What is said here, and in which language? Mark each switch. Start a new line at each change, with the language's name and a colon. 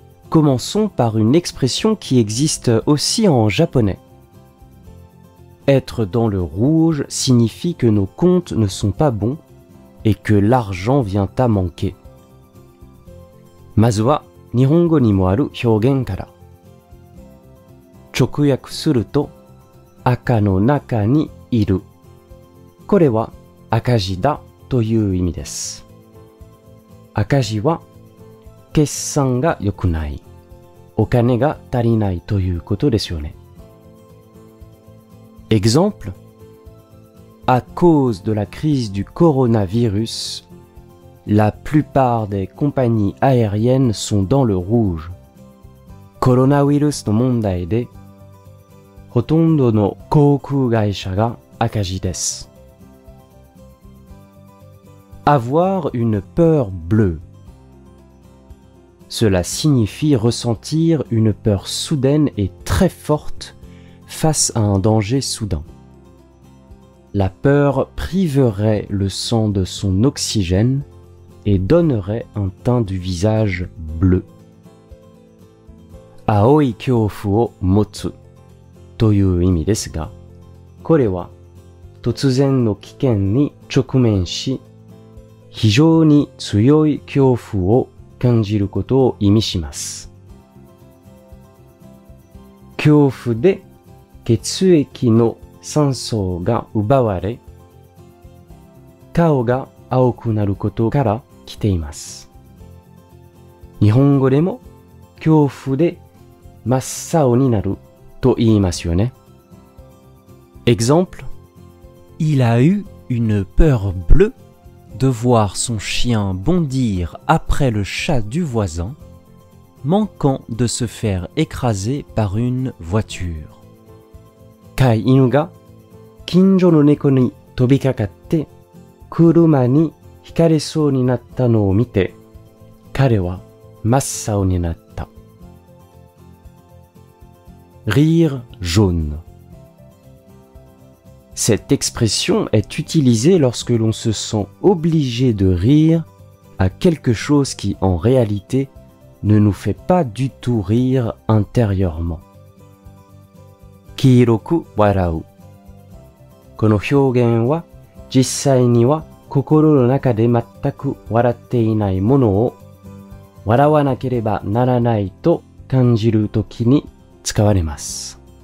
French: Commençons par une expression qui existe aussi en japonais. Être dans le rouge signifie que nos comptes ne sont pas bons et que l'argent vient à manquer.
Japanese: まずは日本語にもある表現から。直訳すると、赤の中にいる。これは赤字だという意味です。赤字は決算が良くない、お金が足りないということですよね。
French: Exemple: À cause de la crise du coronavirus, la plupart des compagnies aériennes sont dans le rouge.
Japanese: コロナウイルスの問題で、ほとんどの航空会社が赤字です。
French: Avoir une peur bleue. Cela signifie ressentir une peur soudaine et très forte face à un danger soudain. La peur priverait le sang de son oxygène et donnerait un teint du visage bleu.
Japanese: 青い恐怖を持つという意味ですが、これは突然の危険に直面し、非常に強い恐怖を感じることを意味します。恐怖で血液の酸素が奪われ、顔が青くなることから来ています。日本語でも恐怖で真っ青になると言いますよね。
French: Exemple: Il a eu une peur bleue. De voir son chien bondir après le chat du voisin, manquant de se faire écraser par une voiture.
Japanese: 飼い犬が近所の猫に飛びかかって、車に引かれそうになったのを見て、彼は真っ青になった。
French: Rire jaune. Cette expression est utilisée lorsque l'on se sent obligé de rire à quelque chose qui, en réalité, ne nous fait pas du tout rire intérieurement.
Japanese: 黄色く笑う。この表現は、実際には心の中で全く笑っていないものを、笑わなければならないと感じるときに使われます。